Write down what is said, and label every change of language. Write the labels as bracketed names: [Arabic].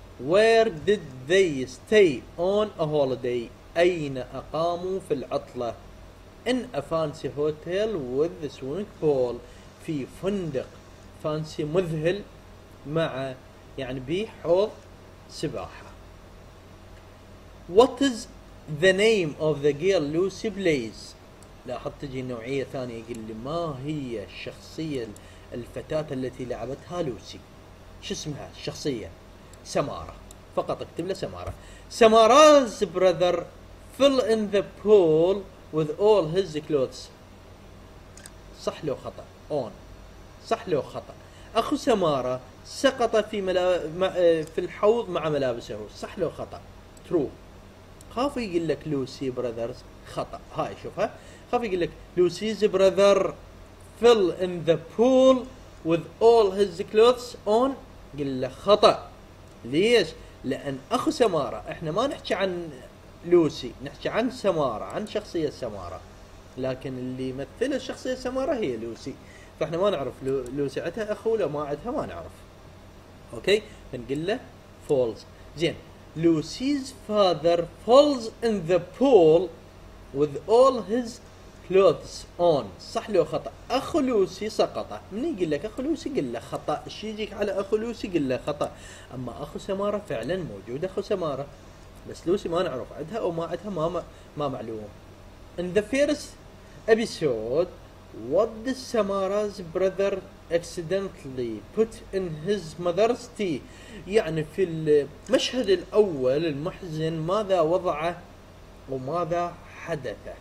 [English] Where did they stay on a holiday؟ [Arabic] اين اقاموا في العطلة؟ [English] In a fancy hotel with a swimming pool، [Arabic] في فندق فانسي مذهل مع يعني بحوض سباحة. [English] What is the name of the girl Lucy plays؟ [Arabic] لاحظت تجي نوعية ثانية، يقول لي ما هي الشخصية الفتاة التي لعبتها لوسي؟ شو اسمها الشخصية؟ سمارة. فقط اكتب له سمارة. [English] Samara's brother fell in the pool with all his clothes. [Arabic] صح لو خطأ on، صح لو خطأ. أخو سمارة سقط في في الحوض مع ملابسه. صح لو خطأ true. خاف يقول لك Lucy brothers خطأ، هاي شوفها، خاف يقول لك [English] Lucy's brother fell in the pool with all his clothes on، [Arabic] قل له خطأ. ليش؟ لأن أخو سمارة، إحنا ما نحكي عن لوسي، نحكي عن سمارة، عن شخصية سمارة، لكن اللي مثل الشخصية سمارة هي لوسي، فإحنا ما نعرف لوسي عتها أخو لو ما عتها ما نعرف. أوكي، فنقول له falls. زين. [English] Lucy's father falls in the pool with all his clothes on. [Arabic] صح لو خطأ. أخو لوسي سقط. من يقول لك أخو لوسي؟ قل له خطأ. شي يجيك على أخو لوسي؟ قل له خطأ. أما أخو سمارة فعلا موجود أخو سمارة، بس لوسي ما نعرف عدها أو ما عدها، ما معلوم. [English] In the first episode what did Samara's brother accidentally put in his mother's tea؟ [Arabic] يعني في المشهد الأول المحزن، ماذا وضعه وماذا حدث